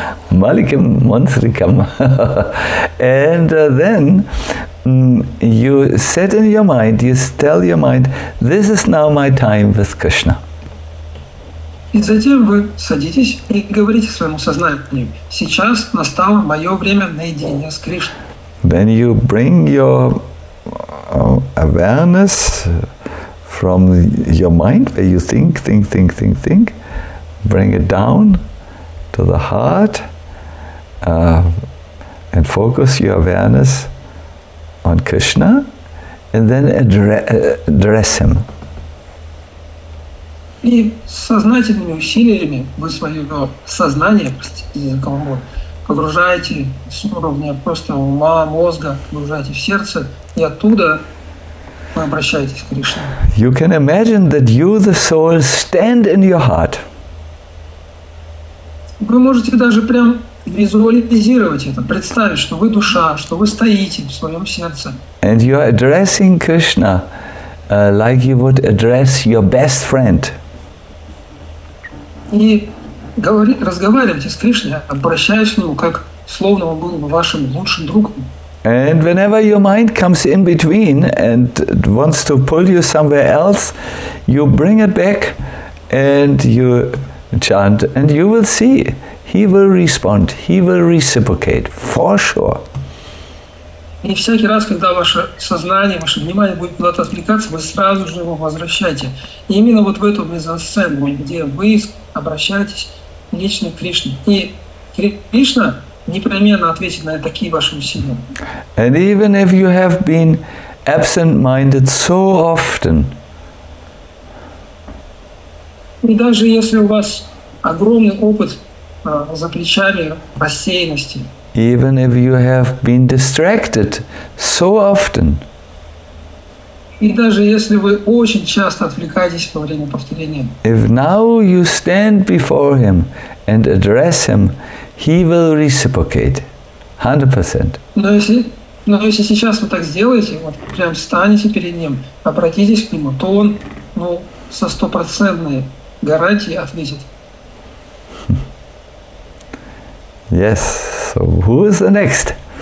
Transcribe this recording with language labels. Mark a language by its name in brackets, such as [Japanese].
[Russian] Маленьким монстриком. [English] And then you set in your mind, you tell your mind, this is now my time with Krishna. [Russian] И затем вы садитесь и говорите своему сознанию, сейчас настало мое время наедине с Кришной. [English] Then you bring your awareness from your mind, where you think, bring it down to the heart, and focus your awareness on Krishna, and then address him. [Russian] И сознательными усилиями вы своё сознание, простите за каламбур, погружаете с уровня просто ума, мозга, погружаете в сердце, и оттуда вы обращаетесь к Кришне. [English] You can imagine that you, the soul, stand in your heart. [Russian] Вы можете даже прям визуализировать это, представить, что вы душа, что вы стоите в своем сердце. [English] And you are addressing Krishna like you would address your best friend. [Russian] И разговаривайте с Кришной, обращаясь к нему, как словно он был бы вашим лучшим другом. [English] And whenever your mind comes in between and wants to pull you somewhere else, you bring it back and you chant, and you will see, he will respond, he will reciprocate, for sure. [Russian] И всякий раз, когда ваше сознание, ваше внимание будет куда-то отвлекаться, вы сразу же его возвращаете. И именно вот в эту мизансцену, где вы обращаетесь лично Кришне. И Кришна непременно ответит на такие ваши усилия. [English] And even if you have been absent-minded so often, [Russian] и даже если у вас огромный опыт за плечами рассеянности, [English] even if you have been distracted so often, [Russian] и даже если вы очень часто отвлекаетесь во время повторения, [English] if now you stand before him and address him, he will reciprocate 100%. [Russian] Но если сейчас вы так сделаете, вот прям станете перед ним, обратитесь к нему, то он, ну, со 100% гарантией ответит. [English] Yes. So who is the next?